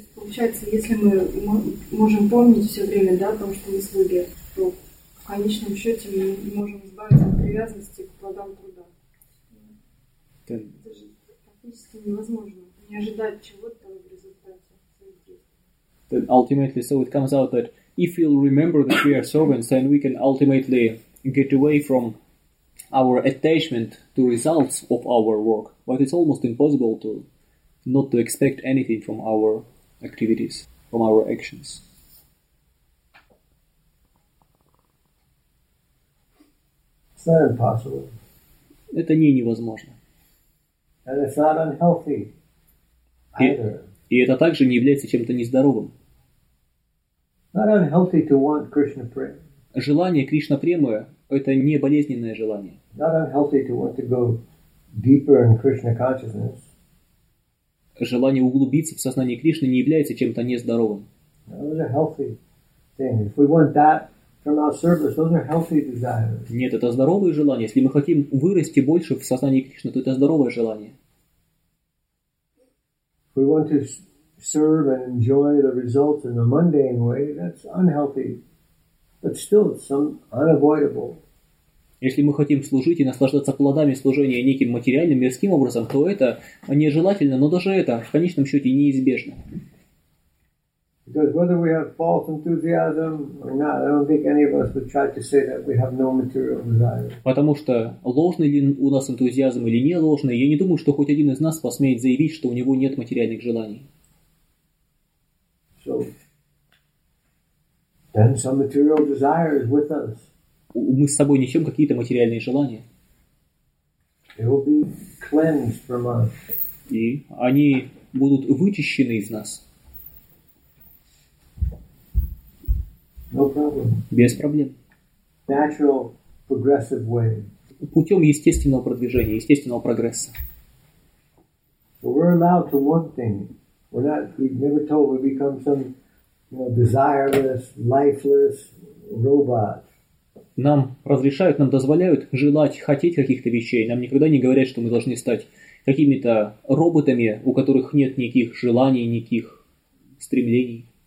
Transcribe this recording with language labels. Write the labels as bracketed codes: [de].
[ru] получается, если мы можем помнить все время, да, о том, что мы слуги, то в конечном счете мы можем избавиться от привязанности к плодам труда. Да. Это же практически невозможно. Не ожидать чего-то в результате. [en] Then ultimately, so it comes out that if we'll remember that we are servants, then we can ultimately get away from our attachment to results of our work. But it's almost impossible to not to expect anything from our activities, from our actions. It's not impossible. [ru] Это не невозможно. [en] And it's not unhealthy either. [ru] И это также не является чем-то нездоровым. [en] Not unhealthy to want Krishna prema. [ru] Желание Кришна премы — это не болезненное желание. [en] Not unhealthy to want to go deeper in Krishna consciousness. [ru] Желание углубиться в сознание Кришны не является чем-то нездоровым. [en] Those are healthy things. If we want that from our service, those are healthy desires. [ru] Нет, это здоровые желания. Если мы хотим вырасти больше в сознании Кришны, то это здоровое желание. [en] If we want to serve and enjoy the results in a mundane way, that's unhealthy. But still, it's unavoidable. [ru] Если мы хотим служить и наслаждаться плодами служения неким материальным, мирским образом, то это нежелательно, но даже это в конечном счете неизбежно. [en] Because whether we have false enthusiasm or not, I don't think any of us would try to say that we have no material desire. [ru] Потому что ложный ли у нас энтузиазм или не ложный, я не думаю, что хоть один из нас посмеет заявить, что у него нет материальных желаний. [en] So, then some material desire is with us. [ru] Мы с собой несем какие-то материальные желания. [en] It will be cleansed from us. [ru] И они будут вычищены из нас. [en] No problem. [ru] Без проблем. [en] Natural progressive way. [ru] Путем естественного продвижения, естественного прогресса. [en] So we're allowed to want things. We're not, we've never told we become some, you know, desireless, lifeless robot. [ru] Нам разрешают, нам дозволяют желать, хотеть каких-то вещей. Нам никогда не говорят, что мы должны стать какими-то роботами, у которых нет никаких желаний, никаких стремлений.